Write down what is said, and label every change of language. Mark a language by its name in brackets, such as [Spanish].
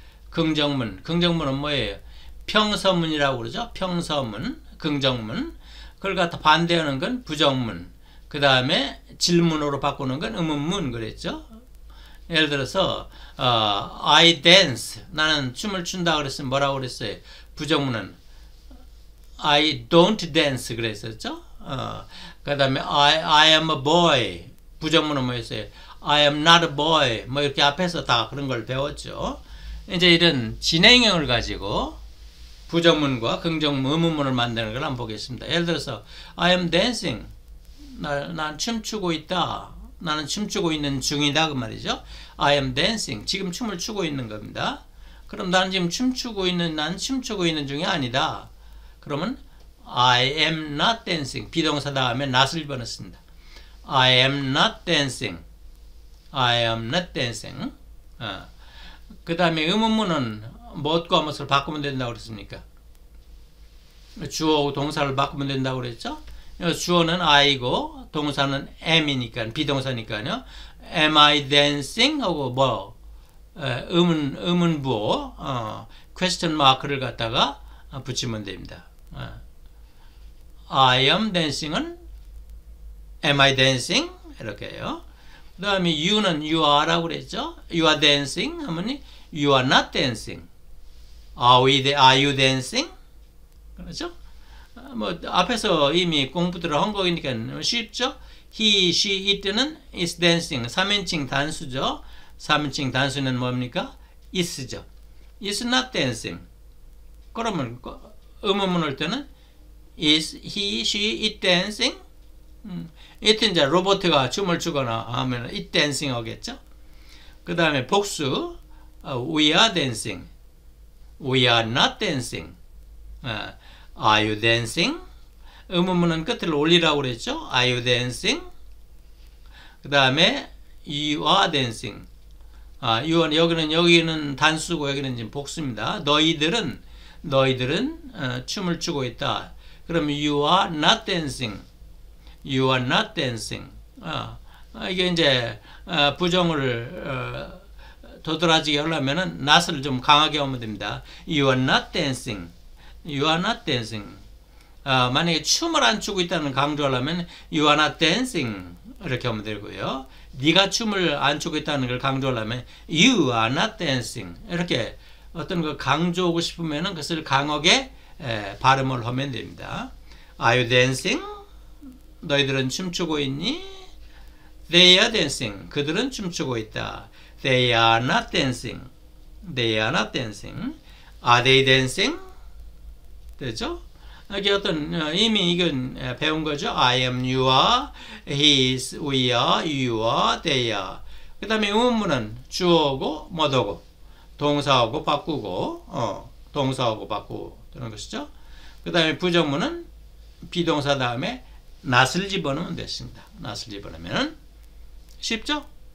[Korean] 긍정문. 긍정문은 뭐예요? 평서문이라고 그러죠? 평서문, 긍정문. 그걸 갖다 반대하는 건 부정문. 그 다음에 질문으로 바꾸는 건 의문문 그랬죠? 예를 들어서, [English] I dance. [Korean] 나는 춤을 춘다 그랬으면 뭐라고 그랬어요? 부정문은 [English] I don't dance [Korean] 그랬었죠? 그 다음에 [English] I am a boy. [Korean] 부정문은 뭐였어요? [English] I am not a boy. [Korean] 뭐 이렇게 앞에서 다 그런 걸 배웠죠? 이제 이런 진행형을 가지고 부정문과 긍정문, 의문문을 만드는 걸 한번 보겠습니다. 예를 들어서, [English] I am dancing. [Korean] 난 춤추고 있다. 나는 춤추고 있는 중이다. 그 말이죠. [English] I am dancing. [Korean] 지금 춤을 추고 있는 겁니다. 그럼 나는 지금 난 춤추고 있는 중이 아니다. 그러면, [English] I am not dancing. [Korean] 비동사 다음에 not을 번었습니다. [English] I am not dancing. I am not dancing. [Korean] 그 다음에 의문문은, 무엇과 무엇을 바꾸면 된다고 그랬습니까? 주어하고 동사를 바꾸면 된다고 그랬죠? 주어는 I고, 동사는 am이니까, 비동사니까요. [English] Am I dancing? [Korean] 하고 뭐, 의문부호, question mark를 갖다가 붙이면 됩니다. [English] I am dancing은 am I dancing? [Korean] 이렇게요. 그 다음에 you는 you are라고 그랬죠? [English] You are dancing? [Korean] 하면 [English] you are not dancing. Are you dancing? [Korean] 그렇죠? 뭐 앞에서 이미 공부들을 한 거니까 쉽죠? [English] He, she, it는 is dancing. [Korean] 3인칭 단수죠. 3인칭 단수는 뭡니까? is죠. [English] is not dancing. [Korean] 그러면 의문문을 때는 [English] is he, she, it dancing? [Korean] it은 이제 로봇가 춤을 추거나 하면 it dancing 하겠죠? [English] 그 다음에 복수. we are dancing. we are not dancing. are you dancing? [Korean] 의문문은 끝을 올리라고 그랬죠? [English] are you dancing? [Korean] 그 다음에 [English] you are dancing. [Korean] 아, 이건 여기는 단수고 여기는 지금 복수입니다. 너희들은 춤을 추고 있다. 그럼 [English] you are not dancing. you are not dancing. [Korean] 이게 이제 부정을 도드라지게 하려면은 not을 좀 강하게 하면 됩니다. [English] you are not dancing. you are not dancing. [Korean] 만약에 춤을 안 추고 있다는 강조하려면 [English] you are not dancing [Korean] 이렇게 하면 되고요. 네가 춤을 안 추고 있다는 걸 강조하려면 [English] you are not dancing [Korean] 이렇게 어떤 걸 강조하고 싶으면은 그것을 강하게 발음을 하면 됩니다. [English] Are you dancing? [Korean] 너희들은 춤추고 있니? [English] They are dancing. [Korean] 그들은 춤추고 있다. [English] They are not dancing. They are not dancing. Are they dancing? [Korean] 되죠? 이게 어떤 이미 이건 배운 거죠. [English] I am, you are, he is, we are, you are, they are. [Korean] 그 다음에 의문문은 주어하고 뭐더고 동사하고 바꾸고 동사하고 바꾸는 것이죠. 그 다음에 부정문은 비동사 다음에 not을 집어넣으면 되겠습니다. not을 집어넣으면 쉽죠?